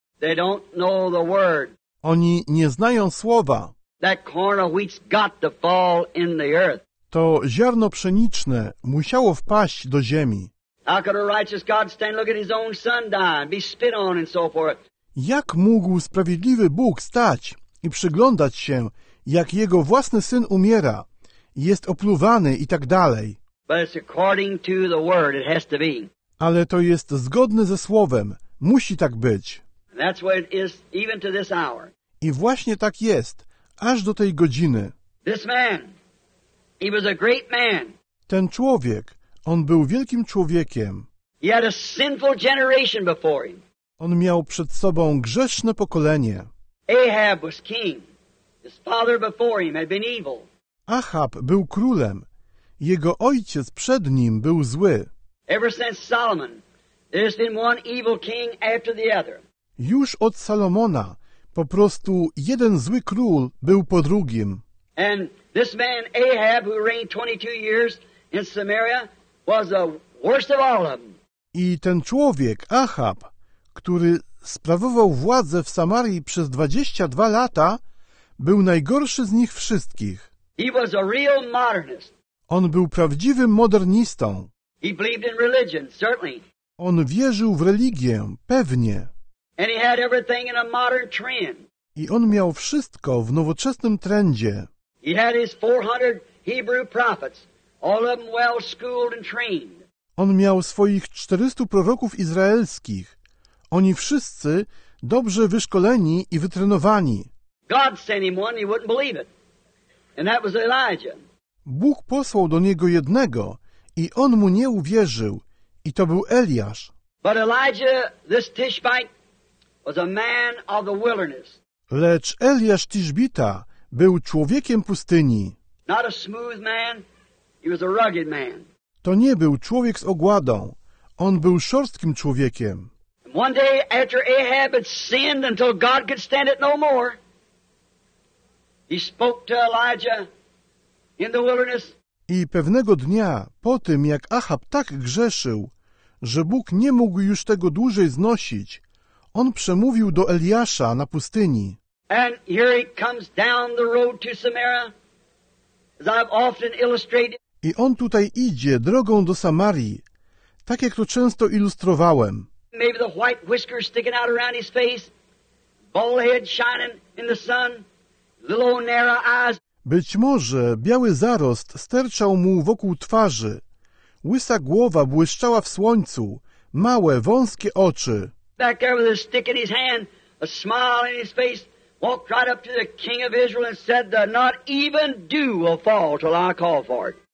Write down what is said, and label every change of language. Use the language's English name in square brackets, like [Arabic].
[English] They don't know the word. [Polish] Oni nie znają słowa. [English] That corn of wheat's got to fall in the earth. [Polish] To ziarno pszeniczne musiało wpaść do ziemi. [English] How could a righteous God stand look at his own son die and be spit on and so forth? [Polish] Jak mógł sprawiedliwy Bóg stać i przyglądać się, jak jego własny syn umiera, jest opluwany i tak dalej? [English] But it's according to the word, it has to be. [Polish] Ale to jest zgodne ze słowem, musi tak być. [English] And that's what it is, even to this hour. [Polish] I właśnie tak jest, aż do tej godziny. [English] This man, he was a great man. [Polish] Ten człowiek, on był wielkim człowiekiem. [English] He had a sinful generation before him. [Polish] On miał przed sobą grzeszne pokolenie. [English] Ahab was king. His father before him had been evil. [Polish] Ahab był królem. Jego ojciec przed nim był zły. [English] Ever since Solomon, there's been one evil king after the other. [Polish] Już od Salomona po prostu jeden zły król był po drugim. [English] And this man Ahab, who reigned 22 years in Samaria, was the worst of all of them. [Polish] I ten człowiek Ahab, który sprawował władzę w Samarii przez 22 lata, był najgorszy z nich wszystkich. [English] He was a real modernist. [Polish] On był prawdziwym modernistą. [English] He believed in religion, certainly. [Polish] On wierzył w religię, pewnie. [English] And he had everything in a modern trend. [Polish] I on miał wszystko w nowoczesnym trendzie. [English] He had his 400 Hebrew prophets, all of them well schooled and trained. [Polish] On miał swoich 400 proroków izraelskich. Oni wszyscy dobrze wyszkoleni i wytrenowani. [English] God sent him one, he wouldn't believe it. And that was Elijah. [Polish] Bóg posłał do niego jednego i on mu nie uwierzył, i to był Eliasz. [English] But Elijah, this Tishbite, was a man of the wilderness. [Polish] Lecz Eliasz Tishbita był człowiekiem pustyni. [English] Not a smooth man, he was a rugged man. [Polish] To nie był człowiek z ogładą, on był szorstkim człowiekiem. [English] One day after Ahab had sinned until God could stand it no more, he spoke to Elijah in the wilderness. [Polish] I pewnego dnia, po tym jak Ahab tak grzeszył, że Bóg nie mógł już tego dłużej znosić, on przemówił do Eliasza na pustyni. [English] And here he comes down the road to Samaria, as I've often illustrated. [Polish] I on tutaj idzie drogą do Samarii, tak jak to często ilustrowałem. [English] Maybe the white whiskers sticking out around his face, bald head shining in the sun, little old narrow eyes. [Polish] Być może biały zarost sterczał mu wokół twarzy, łysa głowa błyszczała w słońcu, małe, wąskie oczy. [English] Back there with a stick in his hand, a smile in his face, walked right up to the king of Israel and said, not even dew will fall till I call for it.